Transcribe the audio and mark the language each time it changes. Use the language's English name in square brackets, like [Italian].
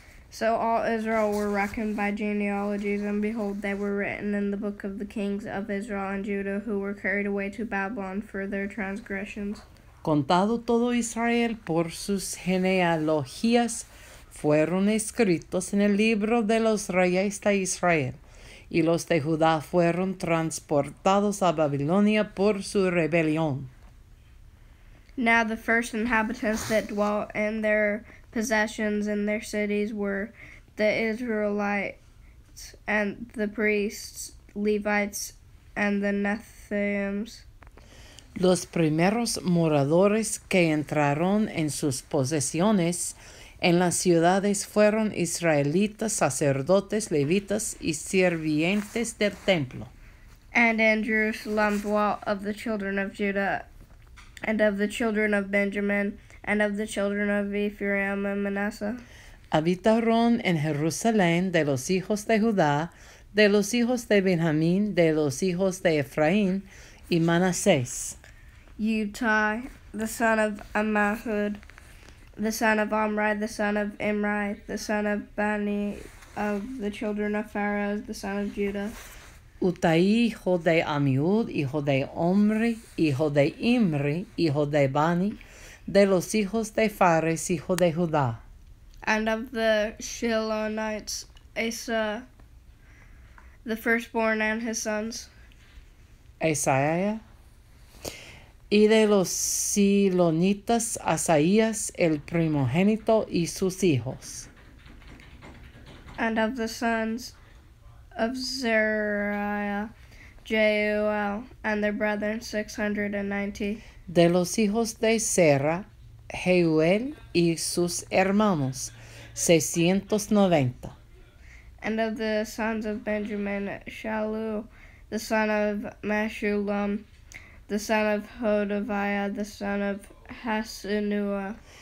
[English] So all Israel were reckoned by genealogies, and behold, they were written in the book of the kings of Israel and Judah, who were carried away to Babylon for their transgressions. [Spanish] Contado todo Israel por sus genealogías, fueron escritos en el libro de los reyes de Israel, y los de Judá fueron transportados a Babilonia por su rebelión. [English] Now the first inhabitants that dwelt in their possessions in their cities were the Israelites and the priests, Levites and the Nethinims. [Spanish] Los primeros moradores que entraron en sus posesiones en las ciudades fueron israelitas, sacerdotes, levitas y sirvientes del templo. [English] And in Jerusalem dwelt of the children of Judah, and of the children of Benjamin, and of the children of Ephraim and Manasseh. [Spanish] Habitaron en Jerusalén de los hijos de Judá, de los hijos de Benjamín, de los hijos de Ephraim y Manasés. [English] Utai, the son of Amahud, the son of Omri, the son of Imri, the son of Bani, of the children of Pharaoh, the son of Judah. [Spanish] Utai, hijo de Amiud, hijo de Omri, hijo de Imri, hijo de Bani, de los hijos de Phares, hijo de Judá. [English] And of the Shilonites, Asa, the firstborn and his sons. Isaiah. [Spanish] Y de los Silonitas, Asaías, el primogénito, y sus hijos. [English] And of the sons of Zeruiah, Jeuel, and their brethren, 690. [Spanish] De los hijos de Zera, Jeuel, y sus hermanos, 690. [English] And of the sons of Benjamin, Shalu, the son of Meshulam, the son of Hodaviah, the son of Hasenua.